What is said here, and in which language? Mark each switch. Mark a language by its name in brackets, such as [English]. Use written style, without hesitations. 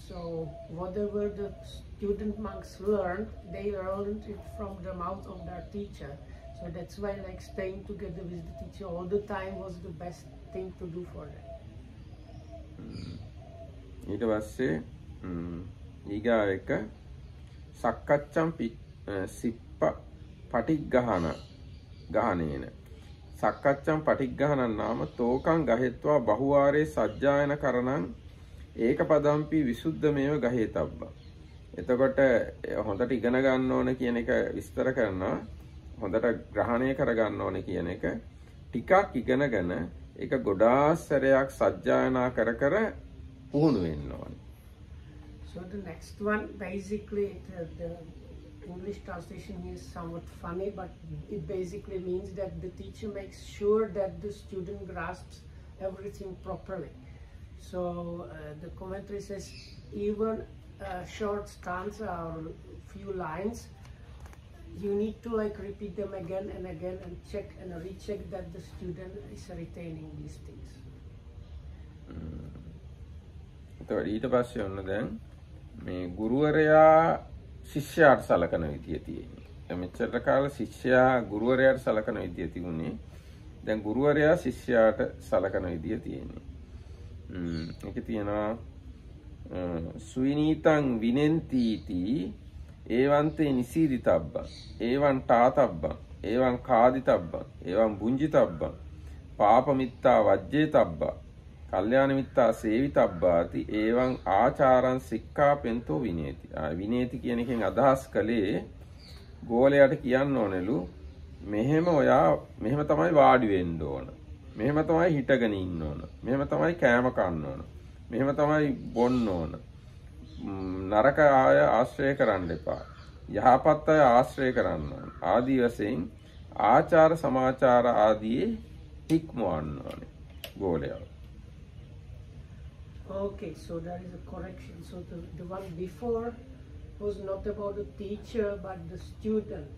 [English] So whatever the student monks learned, they learned it from the mouth of their teacher. So that's why like staying together with the teacher all the time was the best thing to do for them. [Pali] ඊට පස්සේ ඊගා එක සක්කච්ඡම් සිප්ප පටිග්ගහන ගහනේන සක්කච්ඡම් පටිග්ගහන නාම තෝකං ගහෙත්වා බහුවාරේ සජ්ජායන කරණං ඒකපදම්පි විසුද්ධමේව ගහේතබ්බ. [Sinhala] එතකොට හොඳට ඉගෙන ගන්න ඕන කියන එක විස්තර කරනවා. හොඳට ග්‍රහණය කර ගන්න ඕන කියන එක ටිකක් ඉගෙනගෙන ඒක ගොඩාස්සරයක් සජ්ජායනා කර කර පුහුණු වෙන්න ඕනේ. [English] So the next one basically the English translation is somewhat funny, but it basically means that the teacher makes sure that the student grasps everything properly. So the commentary says even a short stanza or few lines you need to like repeat them again and again and check and recheck that the student is retaining these things. [Sinhala] ඊට පස්සේ ඔන්න දැන් මේ ගුරුවරයා ශිෂ්‍යයාට සලකන විදිය තියෙන්නේ. මෙච්චර කාල ශිෂ්‍යයා ගුරුවරයාට සලකන විදිය තිබුණේ. දැන් ගුරුවරයා ශිෂ්‍යයාට සලකන විදිය තියෙන්නේ. ඒකේ තියෙනවා [Pali] සුවිනීතං විනෙන්තිති ඒවන්තේ නිසීදිතබ්බ. ඒවන් තාතබ්බ. ඒවන් කාදිතබ්බ. ඒවන් බුංජිතබ්බ. පාපමිත්තා වජ්ජේතබ්බ. කල්‍යාණ මිත්තා සේවිතබ්බාති එවං ආචාරං සික්ඛාපෙන්තෝ විනේති. [Sinhala] විනේති කියන එකෙන් අදහස් කළේ ගෝලයාට කියන්න ඕනෙලු මෙහෙම ඔයා මෙහෙම තමයි වාඩි වෙන්න ඕන. මෙහෙම තමයි හිටගෙන ඉන්න ඕන. මෙහෙම තමයි කෑම කන්න ඕන. මෙහෙම තමයි බොන්න ඕන. නරක ආය ආශ්‍රය කරන්න එපා. යහපත් අය ආශ්‍රය කරන්න ඕන. ආදී වශයෙන් ආචාර සමාචාර ආදී ඉක්මවන්න ඕනේ ගෝලයා. [English] Okay, so there is a correction. So the one before was not about the teacher but the student.